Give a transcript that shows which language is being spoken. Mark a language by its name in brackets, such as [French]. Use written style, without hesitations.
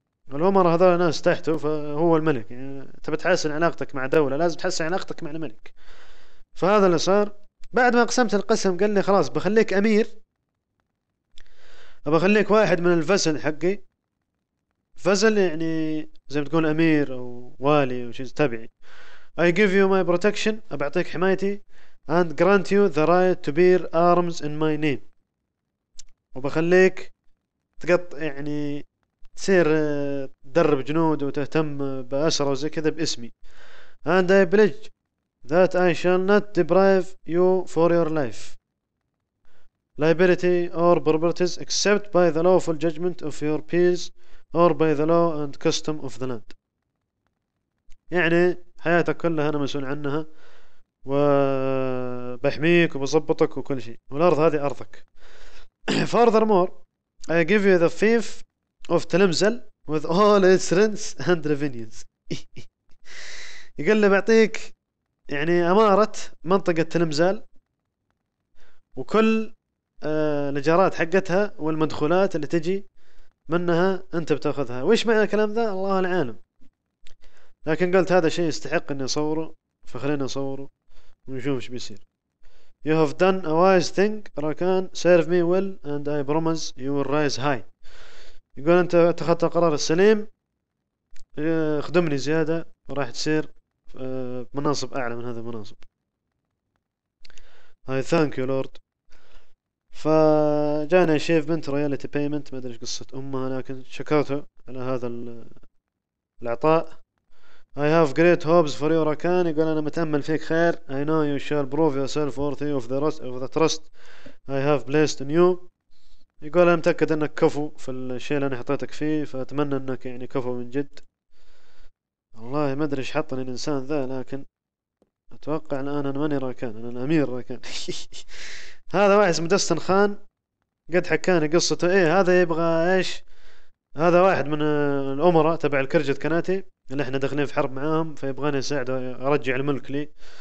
[Arabic] الأمراء هذول ناس تحته، فهو الملك. يعني أنت بتحسن علاقتك مع دولة لازم تحسن علاقتك مع الملك. فهذا اللي صار. بعد ما قسمت القسم قال لي خلاص بخليك أمير، بخليك واحد من الفسل حقي. فسل يعني زي ما تقول أمير أو والي أو شيء تبعي. [English] I give you my protection، [Arabic] أبعطيك حمايتي، [English] and grant you the right to bear arms in my name، [Arabic] وبخليك تقط يعني تصير تدرب جنود وتهتم بأسرى وزي كذا باسمي. [English] And I pledge that I shall not deprive you for your life, liberty or properties except by the lawful judgment of your peers or by the law and custom of the land. [Arabic] يعني حياتك كلها أنا مسؤول عنها، وبحميك وبظبطك وكل شيء، والأرض هذه أرضك. [English] Furthermore, I give you the fief of تلمزل with all its rents and revenues. [Arabic] يقول لي بعطيك يعني أمارة منطقة تلمزال وكل الإيجارات حقتها والمدخولات اللي تجي منها أنت بتأخذها. وإيش معنى الكلام ذا؟ الله العالم. لكن قلت هذا شيء يستحق أني أصوره، فخلينا أصوره ونشوف إيش بيصير. [English] You have done a wise thing, Rakan. Serve me well and I promise you will rise high. [Arabic] يقول انت اتخذت القرار السليم، خدمني زيادة وراح تصير مناصب اعلى من هذا المناصب. [English] I thank you lord. [Arabic] فجانا achievement royalty payment، ما ادري ايش قصة امها، لكن شكرته على هذا العطاء. [English] I have great hopes for you Rakan. [Arabic] يقول انا متأمل فيك خير. [English] I know you shall prove yourself worthy of the trust I have placed in you. [Arabic] يقول انا متأكد انك كفو في الشيء اللي انا حطيتك فيه، فاتمنى انك يعني كفو من جد. والله ما ادري ايش حطني الانسان ذا، لكن اتوقع الان انا ماني راكان، انا الامير راكان. هذا واحد اسمه دستن خان، قد حكاني قصته. ايه هذا يبغى ايش؟ هذا واحد من الامراء تبع الكرجة كناتي اللي احنا داخلين في حرب معاهم، فيبغاني يساعده ارجع الملك لي.